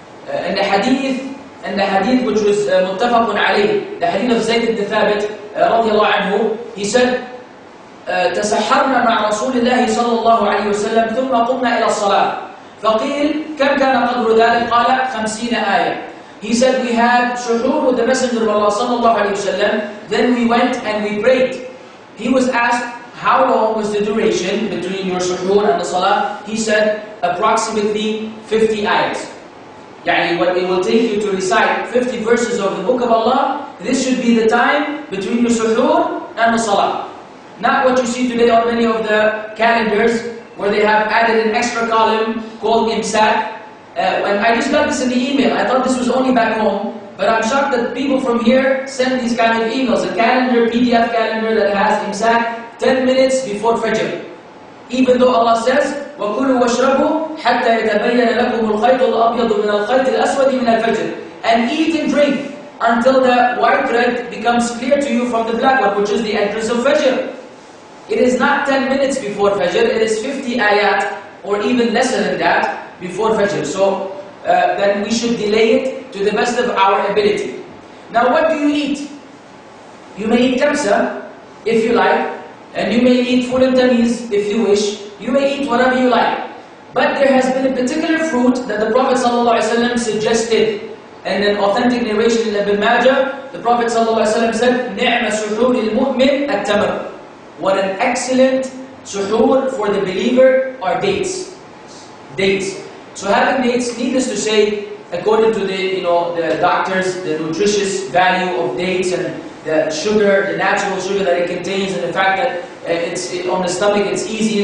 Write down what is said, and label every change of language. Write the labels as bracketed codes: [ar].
[en] In the hadith which was muttafaqun alayhi, the hadith of Zayd ibn Thabit radiallahu anhu, he said, [ar] تسحرنا مع رسول الله صلى الله عليه وسلم ثم قمنا إلى الصلاة فقيل كم كان قدر ذلك قال 50 آية. [en] He said we had suhoor with the Messenger of Allah [ar] صلى الله عليه وسلم, [en] then we went and we prayed. He was asked how long was the duration between your suhoor and the salah. He said approximately 50 ayahs. يعني what it will take you to recite 50 verses of the book of Allah, this should be the time between your suhoor and the salah. Not what you see today on many of the calendars where they have added an extra column called imsak. And I just got this in the email. I thought this was only back home, but I'm shocked that people from here send these kinds of emails. A calendar, PDF calendar that has imsak 10 minutes before Fajr. Even though Allah says, [ar] وَكُلُوا وَاشْرَبُوا حَتَّى يَتَبَيَّنَ لَكُمُ الْخَيْطُ الْأَبْيَضُ مِنَ الْخَيْطِ الْأَسْوَدِ مِنَ الْفَجْرِ. [en] And eat and drink until the white thread becomes clear to you from the black one, which is the entrance of Fajr. It is not 10 minutes before Fajr, it is 50 ayat or even lesser than that before Fajr. So then we should delay it to the best of our ability. Now what do you eat? You may eat tamsa if you like, and you may eat fulun tamiz if you wish. You may eat whatever you like. But there has been a particular fruit that the Prophet ﷺ suggested in an authentic narration in Ibn Majah. The Prophet ﷺ said, [ar] نعم سحور المؤمن التمر. [en] What an excellent suhoor for the believer are dates. Dates. So having dates, needless to say, according to the, you know, the doctors, the nutritious value of dates and the sugar, the natural sugar that it contains, and the fact that it's on the stomach, it's easy.